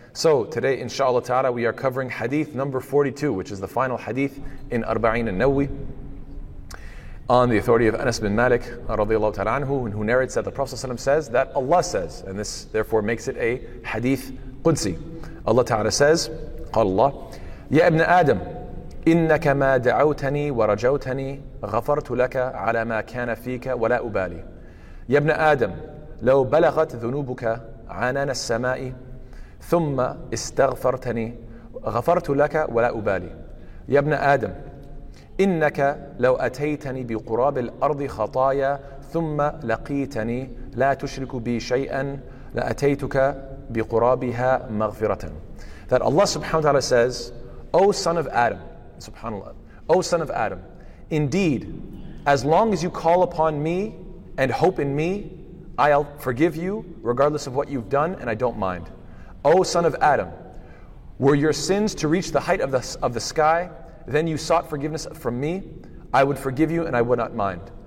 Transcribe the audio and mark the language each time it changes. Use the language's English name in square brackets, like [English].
[English] So today, inshallah ta'ala, we are covering hadith number 42, which is the final hadith in Arba'een an-Nawawi, on the authority of Anas bin Malik, radiallahu ta'ala anhu, who narrates that the Prophet says that Allah says, and this therefore makes it a hadith Qudsi. [Arabic] Allah Ta'ala says, قال الله يا ابن آدم إنك ما دعوتني ورجوتني غفرت لك على ما كان فيك ولا أبالي يا ابن آدم لو بلغت ذنوبك عنان السماء ثم استغفرتني غفرت لك ولا أبالي يا ابن آدم إنك لو أتيتني بقراب الأرض خطايا ثم لقيتني لا تشرك بي شيئا لأتيتك بِقُرَابِهَا مَغْفِرَةً. [English] That Allah subhanahu wa ta'ala says, O son of Adam, subhanAllah, O son of Adam, indeed, as long as you call upon me and hope in me, I'll forgive you regardless of what you've done, and I don't mind. O son of Adam, were your sins to reach the height of the sky, then you sought forgiveness from me, I would forgive you and I would not mind.